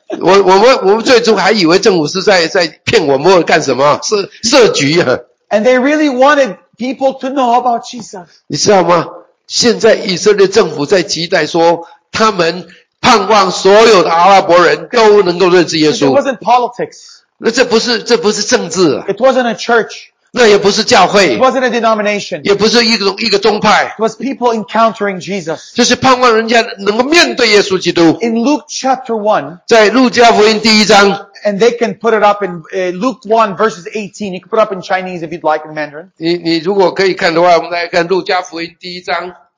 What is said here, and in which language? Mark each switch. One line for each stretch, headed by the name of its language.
Chinese: 我们最终还以为政府是在骗我们或干什么,设局啊。
English: And they really wanted people to know about Jesus.
Chinese: 你知道吗? 现在以色列政府在期待说, 他们盼望所有的阿拉伯人都能够认识耶稣。
English: It wasn't politics.
Chinese: 那这不是政治啊。
English: It wasn't a church.
Chinese: 那也不是教会,
English: it wasn't a denomination.
Chinese: 也不是一个宗派,
English: it was people encountering Jesus.
Chinese: 就是盼望人家能够面对耶稣基督,
English: in Luke chapter 1,
Chinese: 在路加福音第一章,
English: and they can put it up in Luke 1 verses 18. You can put it up in Chinese if you'd like, in Mandarin.
Chinese: 你如果可以看的话, 我们来看路加福音第一章,